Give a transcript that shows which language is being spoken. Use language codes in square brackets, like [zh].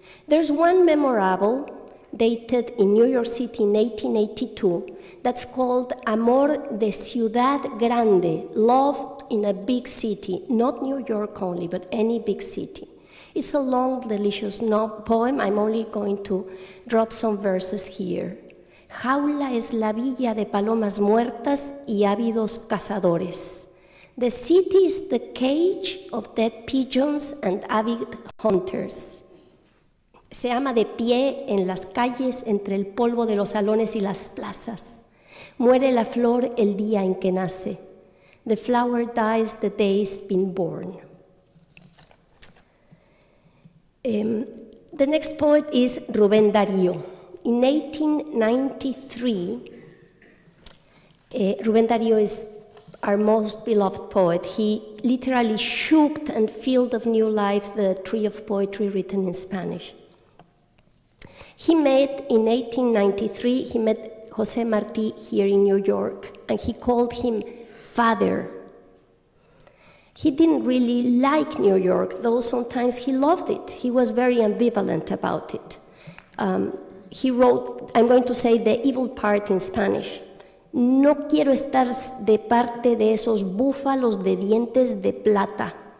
[en] There's one memorable, dated in New York City in 1882, that's called Amor de Ciudad Grande, Love in a Big City, not New York only, but any big city. It's a long, delicious poem. I'm only going to drop some verses here. [es] Jaula es la villa de palomas muertas y ávidos cazadores. [en] The city is the cage of dead pigeons and avid hunters. [es] Se ama de pie en las calles entre el polvo de los salones y las plazas. Muere la flor el día en que nace. [en] The flower dies the day it's been born. The next poet is Rubén Darío. In 1893, Rubén Darío is our most beloved poet. He literally shook and filled of new life the tree of poetry written in Spanish. He met, in 1893, he met José Martí here in New York, and he called him father. He didn't really like New York, though sometimes he loved it. He was very ambivalent about it. He wrote, I'm going to say the evil part in Spanish. [es] No quiero estar de parte de esos búfalos de dientes de plata.